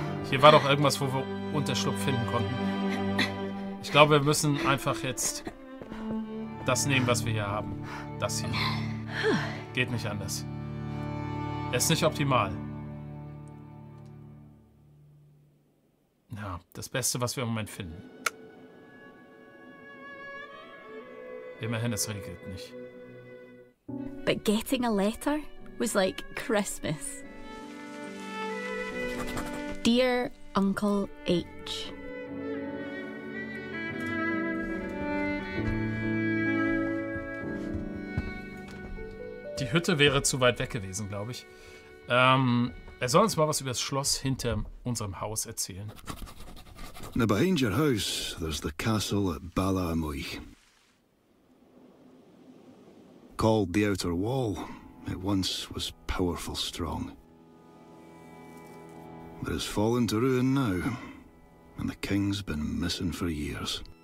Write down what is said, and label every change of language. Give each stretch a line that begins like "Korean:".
German: Hier war doch irgendwas, wo wir Unterschlupf finden konnten. Ich glaube, wir müssen einfach jetzt das nehmen, was wir hier haben. Das hier. Geht nicht anders. Ist nicht optimal. Ja, das Beste, was wir im Moment finden. Immerhin, es regelt nicht.
English: But getting a letter was like Christmas. Dear Uncle H.
German: Die Hütte wäre zu weit weg gewesen, glaube ich. Er soll uns mal was über das Schloss hinter unserem Haus erzählen.
English: Now behind your house, there's the castle at Ballamoich. Called the Outer Wall, it once was powerful strong. But it's fallen to ruin now, and the king's been missing for years.